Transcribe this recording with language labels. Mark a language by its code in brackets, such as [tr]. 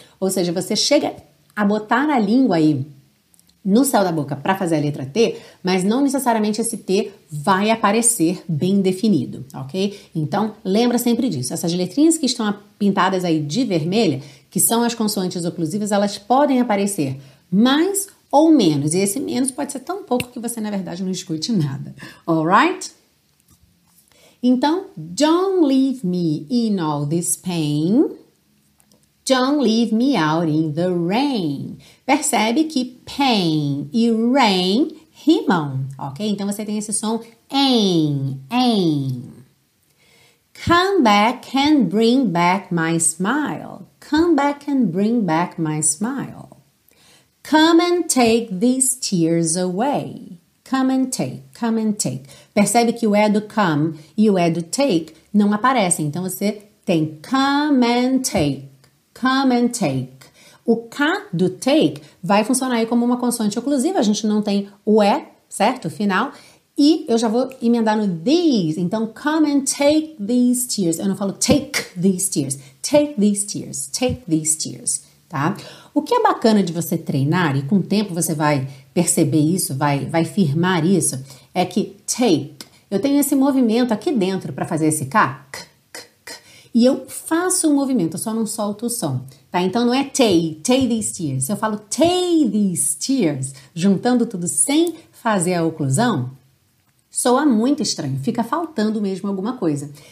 [pt] Ou seja, você chega a botar a língua aí no céu da boca para fazer a letra T, mas não necessariamente esse T vai aparecer bem definido, ok? Então, lembra sempre disso. Essas letrinhas que estão pintadas aí de vermelha, que são as consoantes oclusivas, elas podem aparecer mais ou menos. E esse menos pode ser tão pouco que você, na verdade, não escute nada. [en] Alright? Então, don't leave me in all this pain. Don't leave me out in the rain. [pt] Percebe que pain e rain rimam, ok? Então, você tem esse som, ain, ain. [en] Come back and bring back my smile. Come back and bring back my smile. Come and take these tears away. Come and take, come and take. [pt] Percebe que o é do come e o é do take não aparece. Então, você tem [en] come and take, come and take. [pt] O K do take vai funcionar aí como uma consoante oclusiva. A gente não tem o é, certo? Final. E eu já vou emendar no these. [en] Então, come and take these tears. [pt] Eu não falo [en] take these tears. Take these tears, take these tears, tá? [pt] O que é bacana de você treinar, e com o tempo você vai perceber isso, vai firmar isso, é que take, eu tenho esse movimento aqui dentro para fazer esse K, k, k, k, e eu faço um movimento, eu só não solto o som, tá? Então, não é [en] take these tears. [pt] Eu falo take these tears, juntando tudo sem fazer a oclusão, soa muito estranho, fica faltando mesmo alguma coisa.